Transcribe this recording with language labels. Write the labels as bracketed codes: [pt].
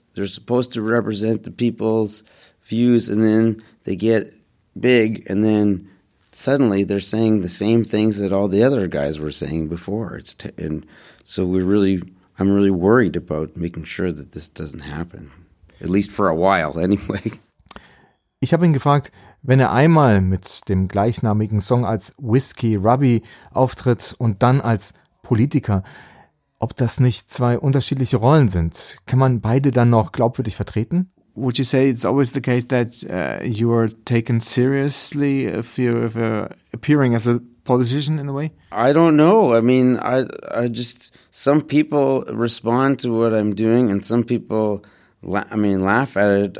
[en] They're supposed to represent the people's views, and then they get big, and then suddenly they're saying the same things that all the other guys were saying before. I'm really worried about making sure that this doesn't happen, at least for a while anyway. [de] Ich habe ihn gefragt, wenn er einmal mit dem gleichnamigen Song als Whiskey Ruby auftritt und dann als Politiker, ob das nicht zwei unterschiedliche Rollen sind. Kann man beide dann noch glaubwürdig vertreten? [en] Would you say it's always the case that you are taken seriously if you're appearing as a politician in a way? I don't know. I mean, I just, some people respond to what I'm doing, and some people, laugh at it.